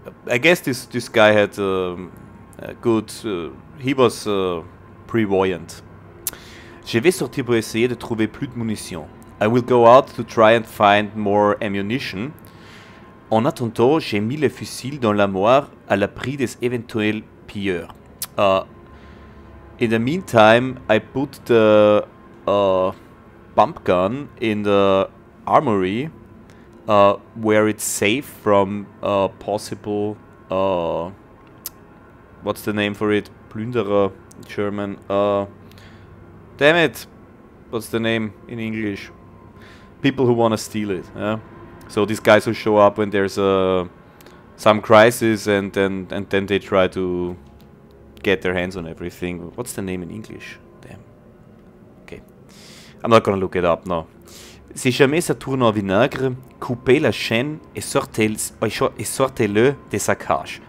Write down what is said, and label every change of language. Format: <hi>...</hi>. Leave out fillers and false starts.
<en>I guess this guy had he was prévoyant.</en> <fr>Je vais sortir pour essayer de trouver plus de munitions.</fr> <en>I will go out to try and find more ammunition.</en> <fr>En attendant, j'ai mis le fusil dans l'armoire à l'abri des éventuels pilleurs.</fr> <en>In the meantime, I put the pump gun in the armory. Where it's safe from possible, what's the name for it? Plünderer in German. Damn it! What's the name in English? People who want to steal it. Yeah. So these guys who show up when there's some crisis, and then they try to get their hands on everything. What's the name in English? Damn. Okay. I'm not gonna look it up now.</en> <fr>Si jamais ça tourne en vinaigre, coupez la chaîne et sortez-le de sa cage.</fr>